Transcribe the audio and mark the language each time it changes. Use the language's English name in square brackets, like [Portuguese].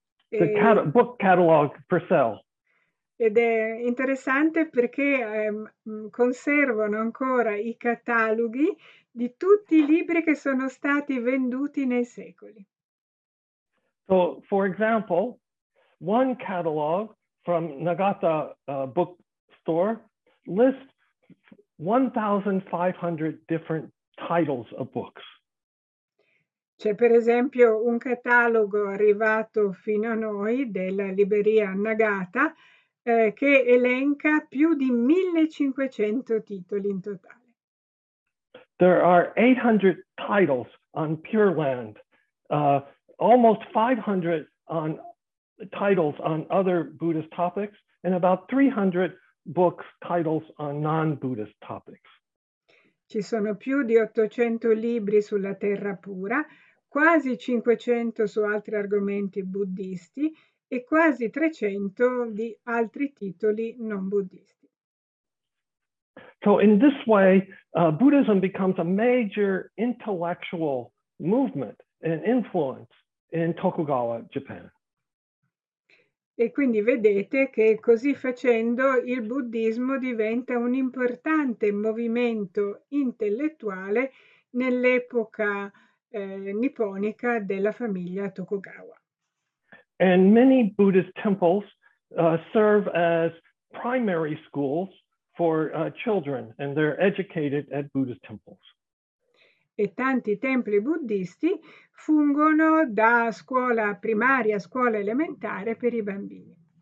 [English] The cat book catalog per sale. [Italian] Ed è interessante perché conservano ancora i cataloghi di tutti i libri che sono stati venduti nei secoli. [English] So, for example, one catalog from Nagata bookstore lists 1,500 different titles of books. [Italian] C'è per esempio un catalogo arrivato fino a noi della libreria Nagata, che elenca più di 1.500 titoli in totale. [English] There are 800 titles on Pure Land, almost 500 on titles on other Buddhist topics, and about 300 books titles on non-Buddhist topics. [Italian] Ci sono più di 800 libri sulla terra pura, quasi 500 su altri argomenti buddisti e quasi 300 di altri titoli non buddisti. [English] So in this way, Buddhism becomes a major intellectual movement and influence in Tokugawa Japan. [Italian] E quindi vedete che così facendo il buddismo diventa un importante movimento intellettuale nell'epoca nipponica della famiglia Tokugawa. [English] And many Buddhist temples serve as primary schools for children, and they're educated at Buddhist temples. [Italian] E tanti templi buddisti fungono da scuola primaria, scuola elementare per i bambini.